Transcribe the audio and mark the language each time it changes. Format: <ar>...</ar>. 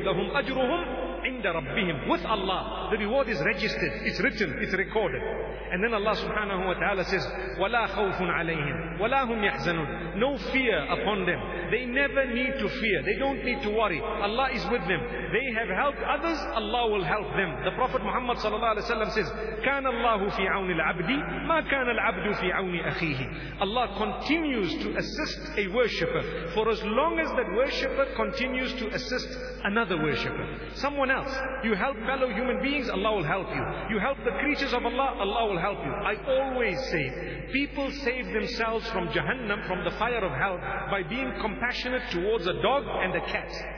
<ar>لَهُمْ أَجْرُهُمْ عِنْدَ رَبِّهِمْ.</ar> <en>With Allah, the reward is registered. It's written. It's recorded. And then Allah subhanahu wa ta'ala says,</en> <ar>وَلَا خَوْفٌ عَلَيْهِمْ وَلَا هُمْ يَحْزَنُونَ.</ar> <en>No fear upon them. They never need to fear. They don't need to worry. Allah is with them. They have helped others. Allah will help them. The Prophet Muhammad sallallahu alaihi wasallam says,</en> <ar>كَانَ اللَّهُ فِي عَوْنِ الْعَبْدِ مَا كَانَ الْعَبْدُ فِي عَوْنِ أَخِيهِ.</ar> <en>Allah continues to assist a worshipper for as long as that worshipper continues to assist another worshipper. Someone else. You help fellow human beings, Allah will help you. You help the creatures of Allah, Allah will help you. I always say, people save themselves from Jahannam, from the fire of hell, by being compassionate towards a dog and a cat.</en>